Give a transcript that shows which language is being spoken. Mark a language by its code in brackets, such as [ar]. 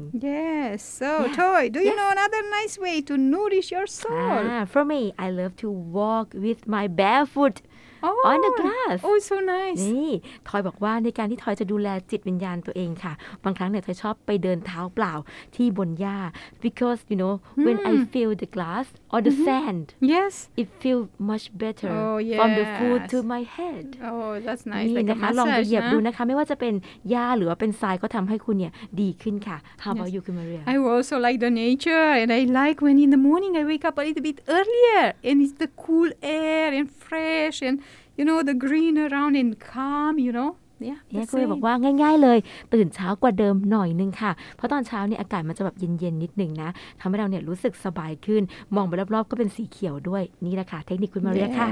[en] Yes so yeah. Toy do you yes. know another nice way to nourish your soul For me I love to walk with my barefootOn the grass. Oh, so nice. [th] นี่ทอยบอกว่าในการที่ทอยจะดูแลจิตวิญญาณตัวเองค่ะบางครั้งเนี่ยทอยชอบไปเดินเท้าเปล่าที่บนหญ้า [en] because you know when I feel the grass or the sand, yes, it feels much better oh, yes. from the foot to my head. Oh, that's nice. [th] นี่ [en] like [th] นะคะ [en] massage, [th] ลองไปเหยียบ [en] huh? [th] ดูนะคะไม่ว่าจะเป็นหญ้าหรือว่าเป็นทรายก็ทำให้คุณเนี่ยดีขึ้นค่ะ [en] How about you, Maria? I also like the nature and I like when in the morning I wake up a little bit earlier and it's the cool air and fresh andYou know the green around and calm, you know? Yeah. [th] Yeah, คุณบอกว่าง่ายๆเลยตื่นเช้ากว่าเดิมหน่อยนึงค่ะเพราะตอนเช้าเนี่ยอากาศมันจะแบบเย็นๆนิดนึงนะทำให้เราเนี่ยรู้สึกสบายขึ้นมองไปรอบๆก็เป็นสีเขียวด้วยนี่แหละค่ะเทคนิคคุณมาเรียค่ะ